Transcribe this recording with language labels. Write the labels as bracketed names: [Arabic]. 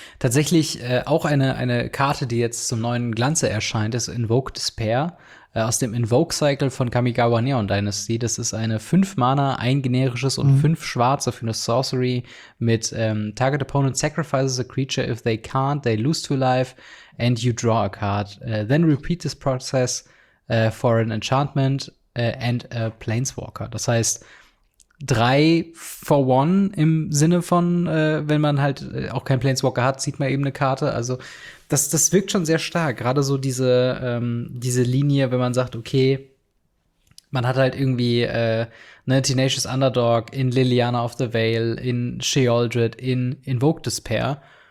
[German] Tatsächlich auch eine Karte, die jetzt zum neuen Glanze erscheint, ist Invoke Despair. Aus dem Invoke-Cycle von Kamigawa Neon Dynasty. Das ist eine 5-Mana, ein generisches und 5-Schwarze für eine Sorcery mit [English] Target Opponent sacrifices a creature. If they can't, they lose 2 life and you draw a card. Then repeat this process for an enchantment and a planeswalker. [German] Das heißt, 3-for-1 im Sinne von, wenn man halt auch keinen Planeswalker hat, zieht man eben eine Karte. Also das wirkt schon sehr stark. Gerade so diese Linie, wenn man sagt, okay, man hat halt irgendwie Tenacious Underdog in Liliana of the Vale, in Sheoldred, in Invoke Despair.